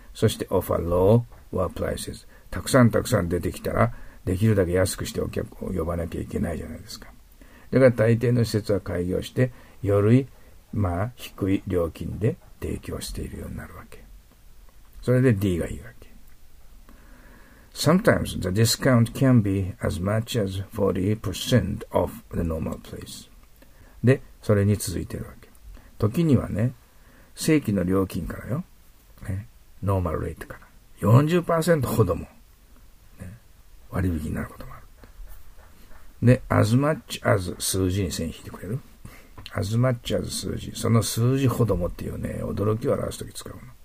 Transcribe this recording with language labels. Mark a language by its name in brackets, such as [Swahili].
[Japanese] そして [English] offer lower prices。 [Japanese] たくさんたくさん出てきたら、できるだけ安くしてお客を呼ばなきゃいけないじゃないですか。だから大抵の施設は開業して、より、まあ、低い料金で提供しているようになるわけ。それで D がいいわけ。 [English] Sometimes the discount can be as much as 40% of the normal place. [Japanese] で、それに続いてるわけ。時にはね、正規の料金からよ。ね、ノーマルレートから。40% ほども。割引になることもある。で、 [English] as much as [Japanese] 数字に線引いてくれる。as much as 数字、その数字ほどもっていうね、驚きを表すとき使うの。